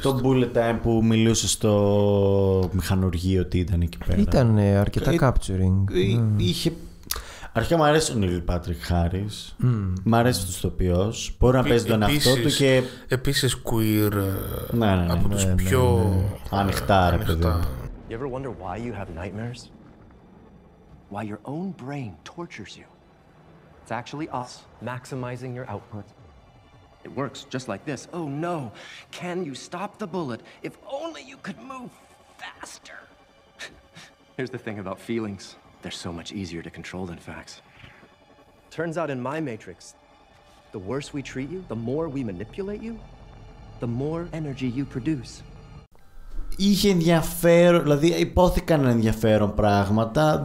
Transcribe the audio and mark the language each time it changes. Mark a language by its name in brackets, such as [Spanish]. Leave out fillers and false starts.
[Greek] Το bullet time που μιλούσε στο μηχανουργείο ότι ήταν εκεί πέρα. Ήταν αρκετά capturing. Είχε... Αρχικά μου αρέσει ο Νίλ Πάτρικ Χάρις. Μ' αρέσει το ηθοποιός. Μπορεί να παίζει τον εαυτό του και... Επίσης queer. Ναι, από τους πιο... Ανοιχτά, ρε παιδί μου. [English] You ever wonder why you have nightmares? Why your own brain tortures you? It's actually us maximizing your output. It works just like this. Oh no, can you stop the bullet? If only you could move faster. Here's the thing about feelings. They're so much easier to control than facts. Turns out in my matrix, the worse we treat you, the more we manipulate you, the more energy you produce. [Greek] είχε ενδιαφέρον, δηλαδή υπόθηκαν ενδιαφέρον πράγματα.